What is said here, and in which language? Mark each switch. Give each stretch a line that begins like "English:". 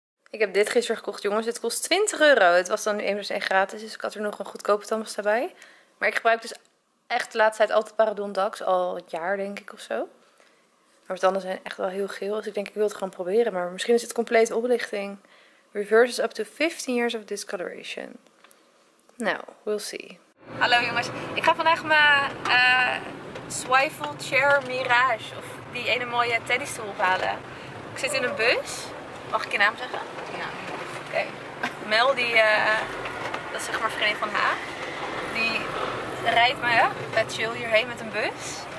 Dutch: Ik heb dit gisteren gekocht, jongens. Het kost 20 euro. Het was dan nu 1 plus 1 gratis. Dus ik had er nog een goedkope tandpasta bij. Maar ik gebruik dus echt de laatste tijd altijd Parodontax. Al het jaar, denk ik, of zo. Maar mijn tanden zijn echt wel heel geel. Dus ik denk, ik wil het gewoon proberen. Maar misschien is het complete oplichting.
English: Reverses up to 15 years of discoloration. Nou, we'll see.
Dutch: Hallo jongens. Ik ga vandaag mijn Swivel Chair Mirage. Of die ene mooie teddystoel ophalen. Ik zit in een bus. Mag ik je naam zeggen? Ja. Oké. Okay. Mel, die, dat is zeg maar vriendin van haar. Die rijdt me bij Chill hierheen met een bus.